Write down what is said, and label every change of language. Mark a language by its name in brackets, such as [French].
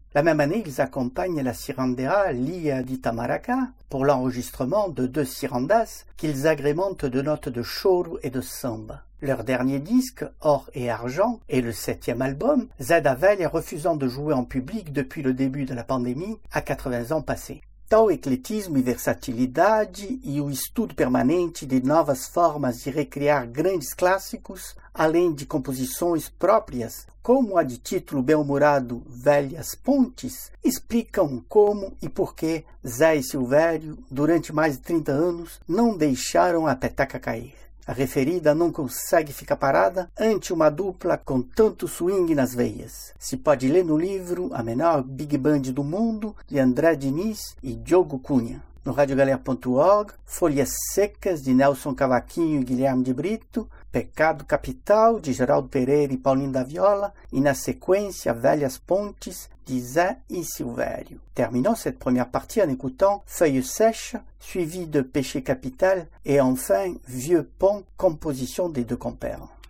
[French] La même année, ils accompagnent la cirandera Lia di Tamaraca pour l'enregistrement de deux cirandas qu'ils agrémentent de notes de choro et de samba. Leur dernier disque, Or et Argent, est le 7e album, Zed Avell est refusant de jouer en public depuis le début de la pandémie, à 80 ans passés. [Portuguese] Tal ecletismo e versatilidade e o estudo permanente de novas formas de recriar grandes clássicos, além de composições próprias, como a de título bem-humorado Velhas Pontes, explicam como e por que Zé e Silvério, durante mais de 30 anos, não deixaram a peteca cair. A referida não consegue ficar parada ante uma dupla com tanto swing nas veias. Se pode ler no livro A Menor Big Band do Mundo, de André Diniz e Diogo Cunha. no radiogalera.org, Folhas Secas, de Nelson Cavaquinho e Guilherme de Brito, Pecado Capital, de Geraldo Pereira e Paulinho da Viola, e na sequência, Velhas Pontes, de Zé e Silvério. [French] Terminons cette première partie en écoutant Feuilles Sèches, suivi de Péché Capital, et enfin, Vieux Pont, composition des deux compères.